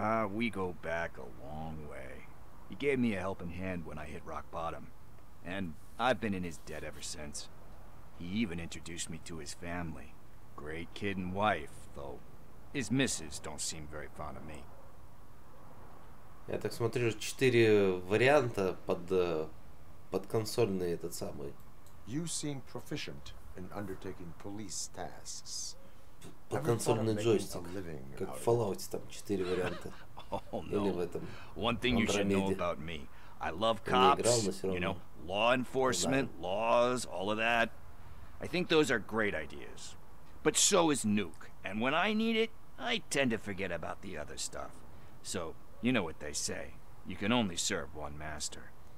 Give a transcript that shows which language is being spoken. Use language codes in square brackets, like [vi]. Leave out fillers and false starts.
[en] We go back a long way. He gave me a helping hand when I hit rock bottom. And I've been in his debt ever since. He even introduced me to his family. Great kid and wife, though his missus don't seem very fond of me. [ru] Я так смотрю, четыре варианта под консольный этот самый. [en] You seem proficient in undertaking police tasks. [ru] Под консольный джойстик, как в Fallout, там четыре варианта. [en] Oh, no. [ru] Или в этом. [en] One thing you should know about me. I love cops, you know, law enforcement, laws, all of that. I think those are great ideas, but so is Nuke, and when I need it, I tend to forget about the other stuff. So, you know what they say, you can only serve one master.